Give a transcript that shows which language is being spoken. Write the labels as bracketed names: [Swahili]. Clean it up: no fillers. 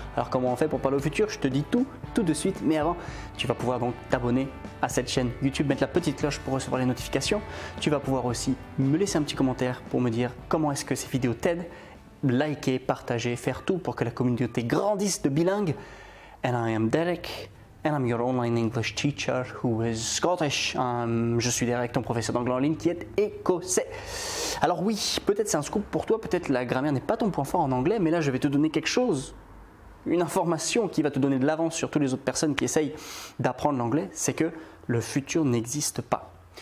[French] Alors comment on fait pour parler au futur? Je te dis tout de suite. Mais avant, tu vas pouvoir donc t'abonner à cette chaîne YouTube, mettre la petite cloche pour recevoir les notifications. Tu vas pouvoir aussi me laisser un petit commentaire pour me dire comment est-ce que ces vidéos t'aident. Liker, partager, faire tout pour que la communauté grandisse de bilingues. [English] And I am Derek. And I'm your online English teacher who is Scottish. [French] Je suis Derek, ton professeur d'anglais en ligne qui est écossais. Alors oui, peut-être c'est un scoop pour toi, peut-être la grammaire n'est pas ton point fort en anglais, mais là je vais te donner quelque chose, une information qui va te donner de l'avance sur toutes les autres personnes qui essayent d'apprendre l'anglais, c'est que le futur n'existe pas.